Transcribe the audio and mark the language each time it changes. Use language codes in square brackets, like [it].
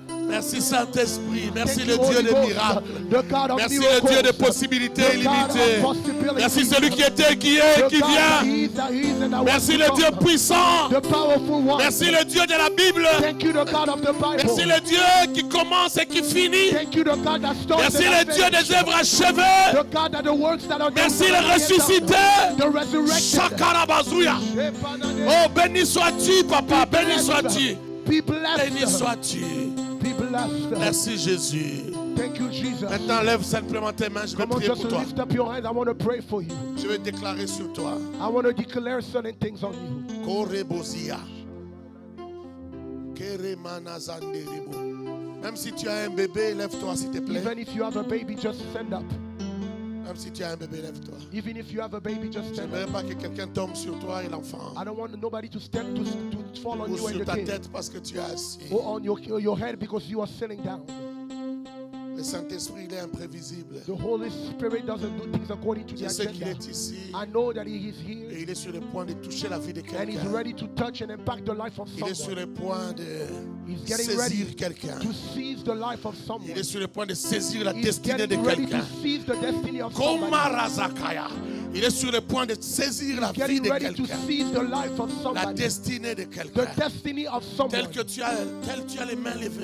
[fr] Merci Saint-Esprit, merci le Dieu des miracles, merci le Dieu des possibilités illimitées, merci celui qui était, qui est et qui vient, merci le Dieu puissant, merci le Dieu de la Bible, merci le Dieu qui commence et qui finit, merci le Dieu des œuvres achevées, merci le ressuscité, Shakarabazouya. Oh, béni sois-tu, papa, béni sois-tu, béni sois-tu. Merci Jésus. [en] Thank you, Jesus. [fr] Maintenant lève simplement tes mains, je vais prier pour toi. [en] Lift up your hands, I want to pray for you. [fr] Je vais déclarer sur toi. [en] I want to declare certain things on you. Korebozia. Keremana zanderebo. [fr] Même si tu as un bébé, lève-toi s'il te plaît. [en] Even if you have a baby, just stand up. [fr] Même si tu as un bébé, lève-toi. [en] Even if you have a baby, just stand up. [fr] Je ne veux pas que quelqu'un tombe sur toi et l'enfant. [en] I don't want nobody to stand to fall on you and the kid. [fr] Ou sur ta tête parce que tu es assis. [en] Or on your head because you are sitting down. [fr] Le Saint-Esprit est imprévisible. [en] The Holy Spirit doesn't do things according to the agenda. [fr] Je sais qu'il est ici. [en] I know that he is here. [fr] Et il est sur le point de toucher la vie de quelqu'un. [en] And he's ready to touch and impact the life of someone. [fr] Il est sur le point de saisir quelqu'un. [en] To seize the life of someone. [fr] Il est sur le point de saisir la destinée de quelqu'un. [en] To seize the destiny of somebody. [fr] Il est sur le point de saisir la vie de quelqu'un. La destinée de quelqu'un. Tel que tu as les mains levées.